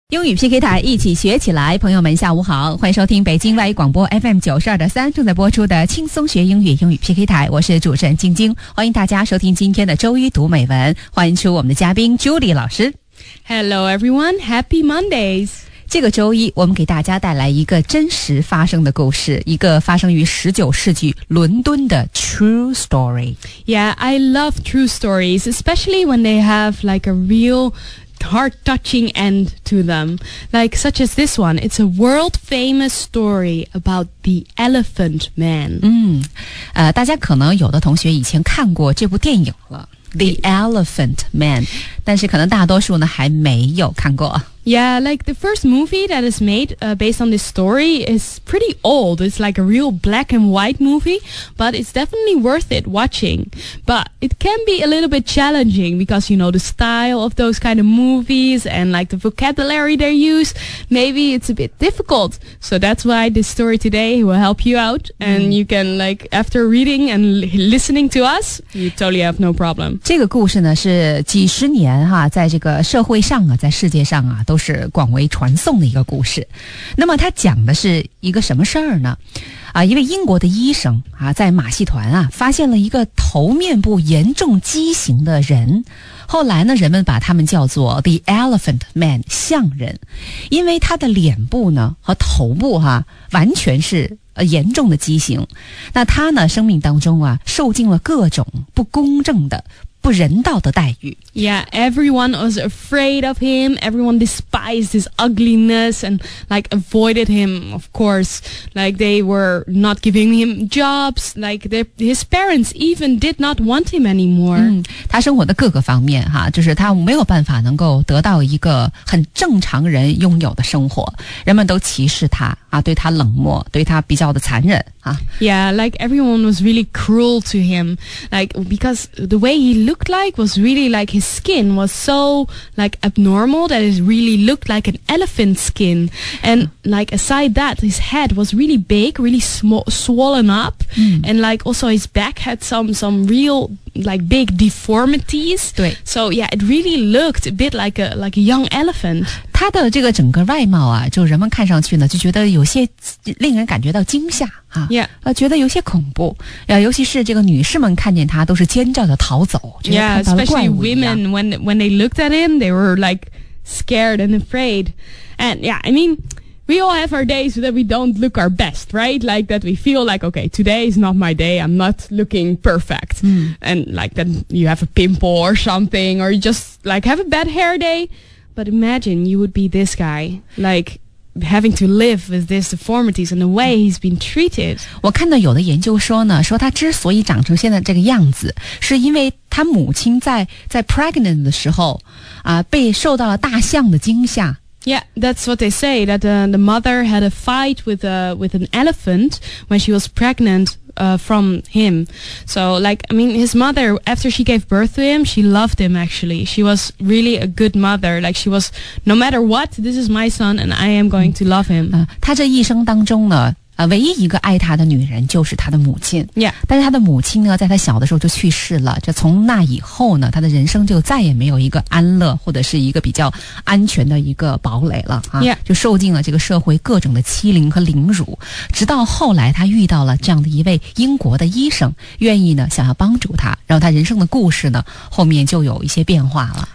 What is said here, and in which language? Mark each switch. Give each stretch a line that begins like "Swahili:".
Chinese: 英语 PK 台一起学起来，朋友们下午好，欢迎收听北京外语广播 FM92.3 正在播出的轻松学英语英语 PK 台，我是主持人晶晶，欢迎大家收听今天的周一读美文，欢迎出我们的嘉宾 Julie 老师。
English: Hello everyone, Happy Mondays。
Chinese: 这个周一我们给大家带来一个真实发生的故事，一个发生于19世纪伦敦的
English: true story. Yeah, I love true stories, especially when they have like a real heart-touching end to them. Like such as this one, it's a world-famous story about the Elephant Man.
Chinese: 大家可能有的同学以前看过这部电影了。 The Elephant Man, 但是可能大多数呢还没有看过。
English: Yeah, like the first movie that is made, based on this story is pretty old. It's like a real black and white movie, but it's definitely worth it watching. But it can be a little bit challenging because, you know, the style of those kind of movies and like the vocabulary they use, maybe it's a bit difficult. So that's why this story today will help you out. And you can like, after reading and listening to us, you totally have no problem.
Chinese: 这个故事呢是几十年哈，在这个社会上啊，在世界上啊都是广为传颂的一个故事。那么它讲的是一个什么事儿呢？一位英国的医生啊，在马戏团啊发现了一个头面部严重畸形的人。后来呢，人们把他们叫做 The Elephant Man, 象人，因为他的脸部呢和头部哈、完全是严重的畸形。那他呢，生命当中啊受尽了各种不公正的不人道的待遇。
English: Yeah, everyone was afraid of him. Everyone despised his ugliness and like avoided him, of course. Like they were not giving him jobs. Like his parents even did not want him anymore.
Chinese: 他生活的各个方面哈，就是他没有办法能够得到一个很正常人拥有的生活。人们都歧视他啊，对他冷漠，对他比较的残忍啊。
English: Yeah, like everyone was really cruel to him. Like because the way he looked like was really like,his skin was so like abnormal that it really looked like an elephant skin, and like aside that, his head was really big, really swollen up, and like also his back had some real like big deformities.
Chinese: 对
English: so yeah, it really looked a bit like a young elephant.
Chinese: 他的这个整个外貌啊，就人们看上去呢，就觉得有些令人感觉到惊吓啊，
English: yeah.
Chinese: 觉得有些恐怖啊，尤其是这个女士们看见他都是尖叫着逃走，觉得看到了怪物一样。
English: Yeah, especially women when they looked at him, they were like scared and afraid. And yeah, I mean,We all have our days that we don't look our best, right? Like that we feel like, okay, today is not my day. I'm not looking perfect. And like that you have a pimple or something, or you just like have a bad hair day. But imagine you would be this guy, like having to live with these deformities and the way he's been treated.
Chinese: 我看到有的研究说呢，说他之所以长成现在这个样子，是因为他母亲在
English: pregnant
Chinese: 的时候啊，被受到了大象的惊吓。
English: Yeah, that's what they say, that the mother had a fight with an elephant when she was pregnant, from him. So, like, I mean, his mother, after she gave birth to him, she loved him, actually. She was really a good mother. Like, she was, no matter what, this is my son, and I am going to love him.
Chinese: 他这一生当中呢，唯一一个爱他的女人就是他的母亲。
English: Yeah.
Chinese: 但是他的母亲呢，在他小的时候就去世了。这从那以后呢，他的人生就再也没有一个安乐或者是一个比较安全的一个堡垒了啊。
English: Yeah.
Chinese: 就受尽了这个社会各种的欺凌和凌辱，直到后来他遇到了这样的一位英国的医生，愿意呢想要帮助他，然后他人生的故事呢后面就有一些变化了。